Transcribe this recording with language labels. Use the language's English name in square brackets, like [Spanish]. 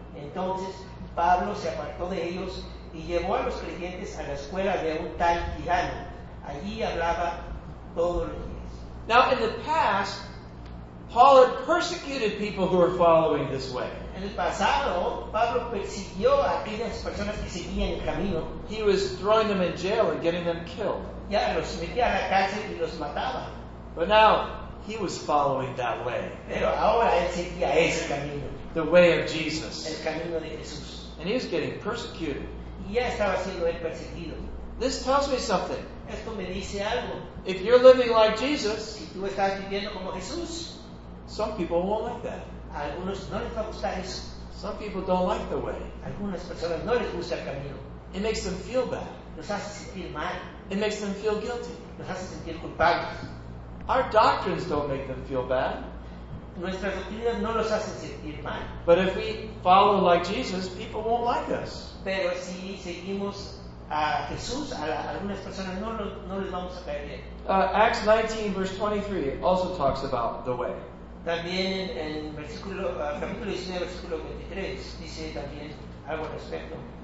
[Spanish] Entonces, Pablo se apartó de ellos y llevó a los creyentes a la escuela de un tal tirano. Allí hablaba todos los días. [English] Now, in the past, Paul had persecuted people who were following this way. [Spanish] en el pasado, Pablo persiguió a aquellas personas que seguían el camino. [English] He was throwing them in jail and getting them killed. [Spanish] Ya, los metía a la cárcel y los mataba. [English] But now, he was following that way. [Spanish] Pero ahora él seguía ese camino. [English] The way of Jesus. [Spanish] El camino de Jesús. [English] And he was getting persecuted. [Spanish] Y ya estaba siendo él perseguido. [English] This tells me something. [Spanish] Esto me dice algo. [English] If you're living like Jesus, [Spanish] si tú estás viviendo como Jesús, [English] some people won't like that. [Spanish] Algunos no les va a gustar eso. [English] Some people don't like the way. [Spanish] Algunas personas no les gusta el camino. [English] It makes them feel bad. [Spanish] Los hace sentir mal. [English] It makes them feel guilty. [Spanish] Los hace sentir culpables. [English] Our doctrines don't make them feel bad. [Spanish] Nuestras doctrinas no los hacen sentir mal. [English] But if we follow like Jesus, people won't like us. [Spanish] Pero si seguimos a Jesús, a algunas personas no les vamos a caer bien. [English] Acts 19, verse 23 also talks about the way. [Spanish] También en versículo, capítulo 19, versículo 23, dice también algo al respecto.